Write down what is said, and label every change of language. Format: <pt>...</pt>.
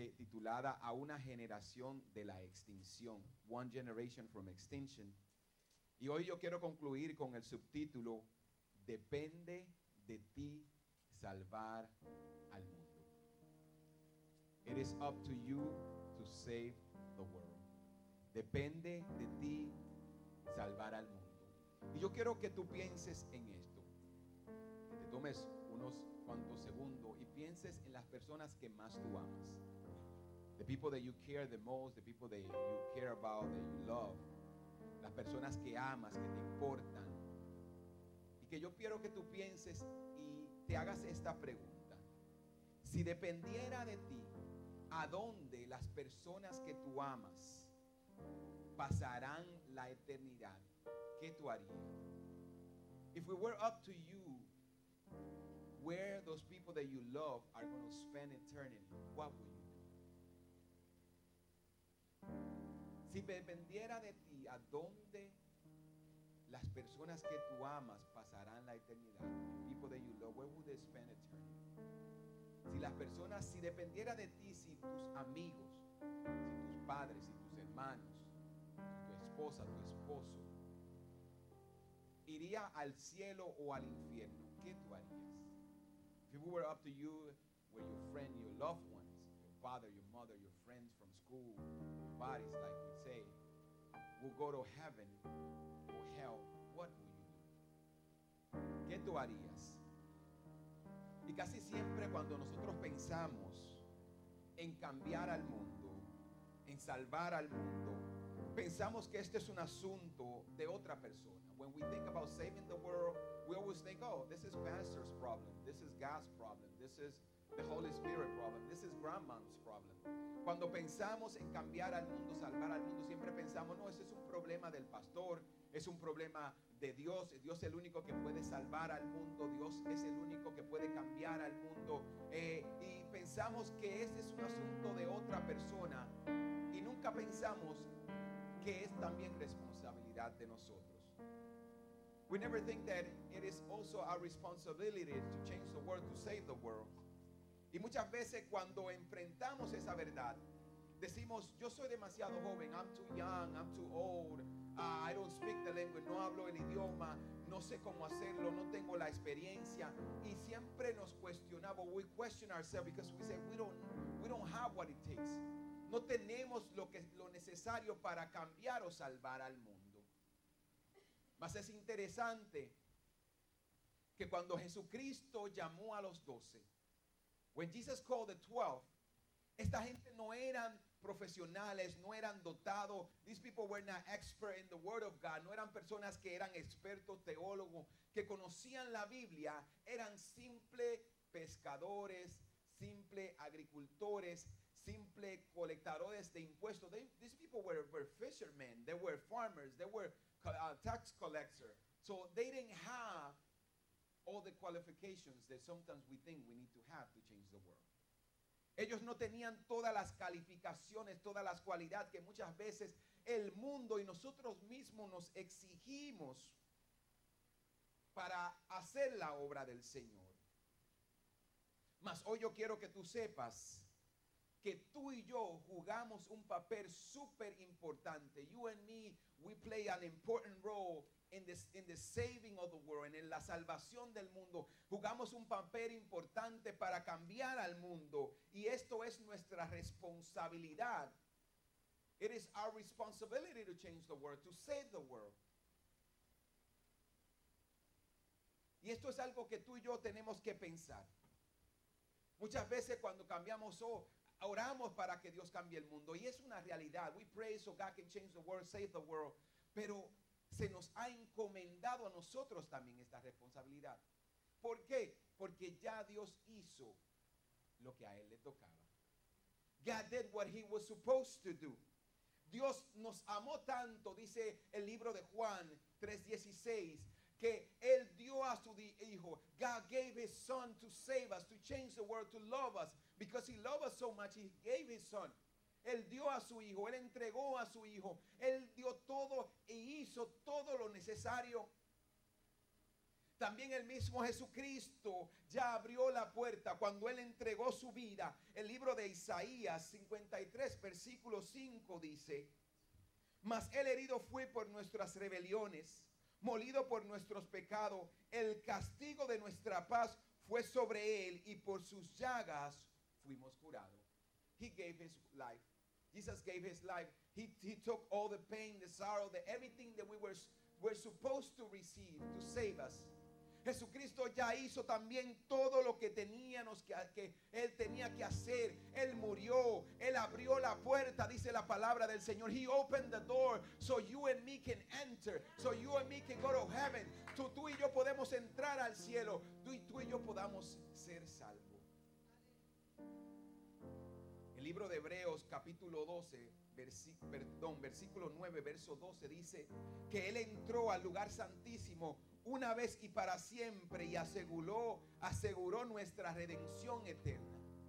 <es>llamada a una generación de la extinción,</es> <en>One Generation from Extinction.</en> <es>Y hoy yo quiero concluir con el subtítulo, Depende de ti salvar al mundo.</es> <en>It is up to you to save the world.</en> <es>Depende de ti salvar al mundo. Y yo quiero que tú pienses en esto. Que te tomes unos cuantos segundos y pienses en las personas que más tú amas.</es> <en>The people that you care the most, the people that you care about, that you love.</en> <es>Las personas que amas, que te importan. Y que yo quiero que tú pienses y te hagas esta pregunta. Si dependiera de ti, ¿a dónde las personas que tú amas pasarán la eternidad? ¿Qué tú harías?</es> <en>If it were up to you, where those people that you love are going to spend eternity, what would you do?</en> <es>Si dependiera de ti, ¿a dónde las personas que tú amas pasarán la eternidad?</es> <en>The people that you love, where would they spend eternity?</en> <es>Si las personas, si dependiera de ti, si tus amigos, si tus padres, si tus hermanos, tu esposa, tu esposo, iría al cielo o al infierno, ¿qué tú harías?</es> <en>If it were up to you, where your friend, your loved ones, your father, your mother, your friends from school, your buddies, like you say, will go to heaven or hell, what would you do?</en> <es>¿Qué tú harías? Y casi siempre cuando nosotros pensamos en cambiar al mundo, en salvar al mundo, pensamos que este es un asunto de otra persona.</es> <en>When we think about saving the world, we always think, oh, this is pastor's problem, this is God's problem, this is the Holy Spirit problem, this is grandma's problem.</en> <es>Cuando pensamos en cambiar al mundo, salvar al mundo, siempre pensamos, no, ese es un problema del pastor, es un problema de Dios, Dios es el único que puede salvar al mundo, Dios es el único que puede cambiar al mundo. Y pensamos que ese es un asunto de otra persona y nunca pensamos que es también responsabilidad de nosotros.</es> <en>We never think that it is also our responsibility to change the world, to save the world.</en> <es>Y muchas veces cuando enfrentamos esa verdad, decimos, yo soy demasiado joven,</es> <en>I'm too young, I'm too old. I don't speak the language,</en> <es>no hablo el idioma, no sé cómo hacerlo, no tengo la experiencia. Y siempre nos cuestionamos,</es> <en>we question ourselves because we say we don't have what it takes.</en> <es>No tenemos lo necesario para cambiar o salvar al mundo. Mas es interesante que cuando Jesucristo llamó a los 12,</es> <en>when Jesus called the 12,</en> <es>esta gente no eran profesionales, no eran dotados.</es> <en>These people were not expert in the word of God.</en> <es>No eran personas que eran expertos teólogos, que conocían la Biblia. Eran simple pescadores, simple agricultores, simple colectadores de impuestos.</es> <en>These people were fishermen. They were farmers. They were tax collectors. So they didn't have all the qualifications that sometimes we think we need to have to change the world.</en> <es>Ellos no tenían todas las calificaciones, todas las cualidades que muchas veces el mundo y nosotros mismos nos exigimos para hacer la obra del Señor. Mas hoy yo quiero que tú sepas que tú y yo jugamos un papel súper importante.</es> <en>You and me, we play an important role in the saving of the world,</en> <es>en la salvación del mundo. Jugamos un papel importante para cambiar al mundo. Y esto es nuestra responsabilidad.</es> <en>It is our responsibility to change the world, to save the world.</en> <es>Y esto es algo que tú y yo tenemos que pensar. Muchas veces cuando cambiamos, oramos para que Dios cambie el mundo. Y es una realidad.</es> <en>We pray so God can change the world, save the world.</en> <es>Pero se nos ha encomendado a nosotros también esta responsabilidad. ¿Por qué? Porque ya Dios hizo lo que a Él le tocaba.</es> <en>God did what He was supposed to do.</en> <es>Dios nos amó tanto, dice el libro de Juan 3:16, que Él dio a su Hijo.</es> <en>God gave His Son to save us, to change the world, to love us. Because He loved us so much, He gave His Son.</en> <es>Él dio a su Hijo, Él entregó a su Hijo, Él dio todo e hizo todo lo necesario. También el mismo Jesucristo ya abrió la puerta cuando Él entregó su vida. El libro de Isaías 53, versículo 5 dice: Mas el herido fue por nuestras rebeliones, molido por nuestros pecados. El castigo de nuestra paz fue sobre Él, y por sus llagas fuimos curados.</es> <en>He gave His life. Jesus gave His life. He took all the pain, the sorrow, the everything that we're supposed to receive to save us.</en> <es>Jesucristo ya hizo también todo lo que teníamos que Él tenía que hacer. Él murió, Él abrió la puerta, dice la palabra del Señor.</es> <en>He opened the door so you and me can enter, so you and me can go to heaven.</en> <es>Tú y yo podemos entrar al cielo, tú y yo podamos ser salvos. El libro de Hebreos capítulo 12, versículo 9, verso 12 dice que Él entró al lugar santísimo una vez y para siempre, y aseguró nuestra redención eterna.</es>